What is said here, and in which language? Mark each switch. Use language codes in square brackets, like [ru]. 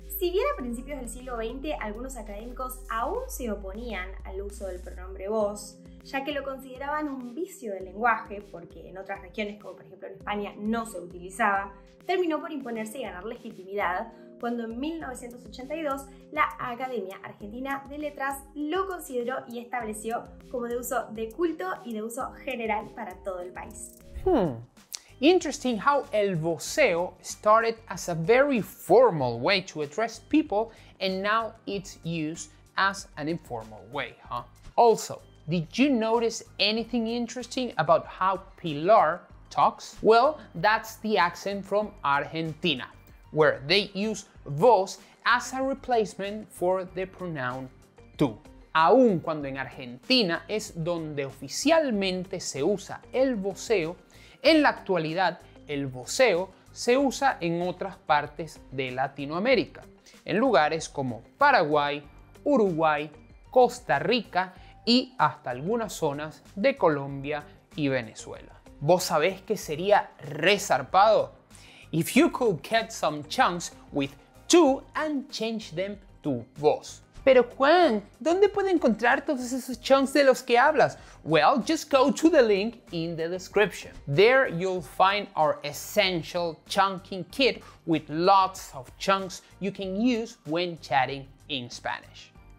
[es] Si bien a principios del siglo XX algunos académicos aún se oponían al uso del pronombre vos, ya que lo consideraban un vicio del lenguaje, porque en otras regiones, como por ejemplo en España, no se utilizaba, terminó por imponerse y ganar legitimidad cuando en 1982 la Academia Argentina de Letras lo consideró y estableció como de uso de culto y de uso general para todo el país. [en] Interesting how el voseo started as a very formal way to address people and now it's used as an informal way, huh? Also, did you notice anything interesting about how Pilar talks? Well, that's the accent from Argentina, where they use vos as a replacement for the pronoun tú. [es] Aun cuando en Argentina es donde oficialmente se usa el voseo, en la actualidad el voseo se usa en otras partes de Latinoamérica, en lugares como Paraguay, Uruguay, Costa Rica y hasta algunas zonas de Colombia y Venezuela. ¿Vos sabés que sería resarpado? [en] If you could get some chunks with tú and change them to vos. [es] Pero Juan, ¿dónde puedo encontrar todos esos chunks de los que hablas? [en] Well, just go to the link in the description. There you'll find our essential chunking kit with lots of chunks you can use when chatting in Spanish.